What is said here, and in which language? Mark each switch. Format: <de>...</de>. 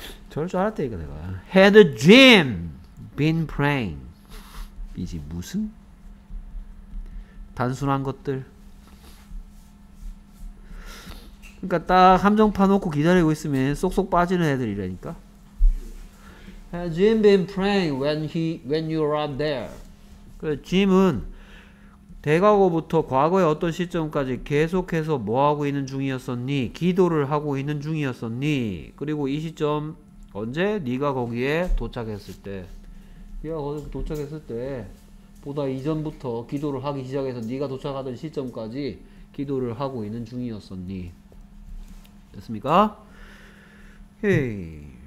<ko>저럴 줄 알았다니까 내가.</ko> <en>Had Jim been praying</en> <ko>이제 무슨? 단순한 것들. 그러니까 딱 함정 파놓고 기다리고 있으면 쏙쏙 빠지는 애들이라니까.</ko> <en>Has Jim been praying when you arrived there?</en> <ko>그래, Jim은 대과거부터 과거의 어떤 시점까지 계속해서 뭐 하고 있는 중이었었니? 기도를 하고 있는 중이었었니? 그리고 이 시점 언제? 네가 거기에 도착했을 때. 네가 거기 도착했을 때보다 이전부터 기도를 하기 시작해서 네가 도착하던 시점까지 기도를 하고 있는 중이었었니? 됐습니까? 헤이.</ko>